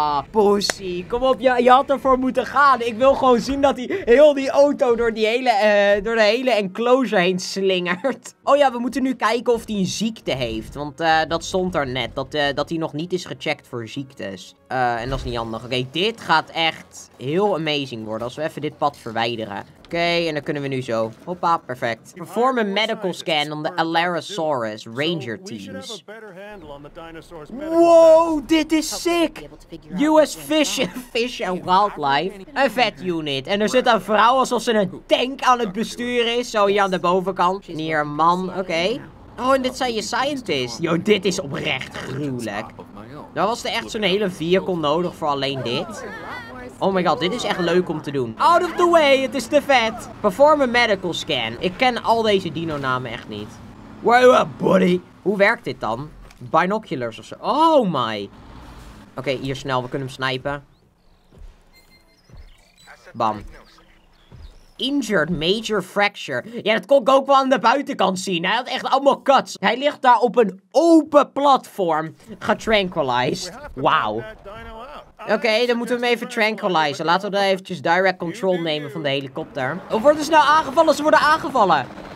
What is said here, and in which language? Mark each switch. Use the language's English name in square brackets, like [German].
[Dutch] Pussy, kom op, je had ervoor moeten gaan. Ik wil gewoon zien dat hij heel die auto door die hele, door de hele enclosure heen slingert. Oh ja, we moeten nu kijken of hij een ziekte heeft. Want dat stond er net, dat hij nog niet is gecheckt voor ziektes. En dat is niet handig. Oké, dit gaat echt heel amazing worden als we even dit pad verwijderen. Oké, en dan kunnen we nu zo. Hoppa, perfect. [English] Perform a medical scan on the Alarasaurus Ranger teams. [Dutch] Wow, dit is sick. US Fish and Wildlife. Een vet unit. En er zit een vrouw alsof ze een tank aan het besturen is. Zo hier aan de bovenkant. Hier een man, oké. Oh, en dit zijn je scientists. Yo, dit is oprecht gruwelijk. Daar was er echt zo'n hele vehicle nodig voor alleen dit. [English] Oh my god, [Dutch] dit is echt leuk om te doen. [English] Out of the way, [Dutch] het is te vet. [English] Perform a medical scan. [Dutch] Ik ken al deze dino-namen echt niet. [English] Where you at, buddy? [Dutch] Hoe werkt dit dan? Binoculars of zo. [English] Oh my. [Dutch] Oké, hier snel, we kunnen hem snipen. Bam. [English] Injured major fracture. [Dutch] Ja, dat kon ik ook wel aan de buitenkant zien. Hij had echt allemaal cuts. Hij ligt daar op een open platform. Getranquilized. Wauw. Oké, dan moeten we hem even tranquilizen. Laten we dan eventjes direct control nemen van de helikopter. Of worden ze nou aangevallen? Ze worden aangevallen.